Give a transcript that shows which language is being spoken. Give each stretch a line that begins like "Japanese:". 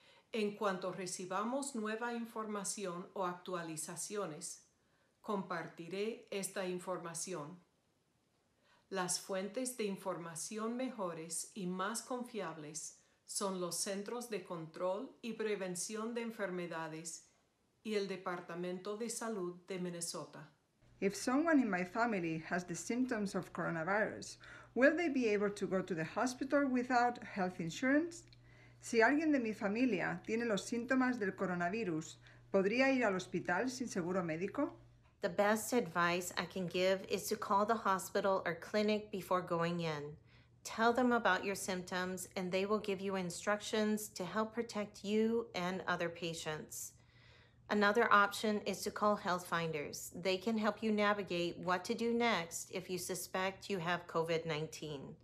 Spanish: En cuanto recibamos nueva información o actualizaciones, compartiré esta información. Las fuentes de información mejores y más confiables son los Centros de Control y Prevención de Enfermedades y el Departamento de Salud de Minnesota.
English: If someone in my family has the symptoms of coronavirus, will they be able to go to the hospital without health insurance?
Spanish: Si alguien de mi familia tiene los síntomas del coronavirus, ¿podría ir al hospital sin seguro médico?
English: The best advice I can give is to call the hospital or clinic before going in. Tell them about your symptoms and they will give you instructions to help protect you and other patients. Another option is to call HealthFinders. They can help you navigate what to do next if you suspect you have COVID-19.